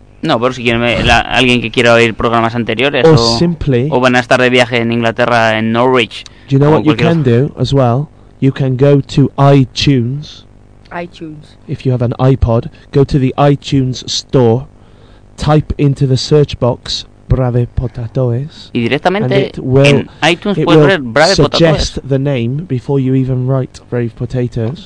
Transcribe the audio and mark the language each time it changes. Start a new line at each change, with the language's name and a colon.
Spanish: No, pero si quieren alguien que quiera oír programas anteriores
English: o... simply...
Spanish: O van a estar de viaje en Inglaterra, en Norwich.
English: Do you know what you can do as well? You can go to iTunes. iTunes. If you have an iPod, go to the iTunes store, type into the search box, Brave Potatoes.
Spanish: Y directamente en iTunes puedes poner Brave Potatoes.
English: It will suggest the name before you even write Brave Potatoes.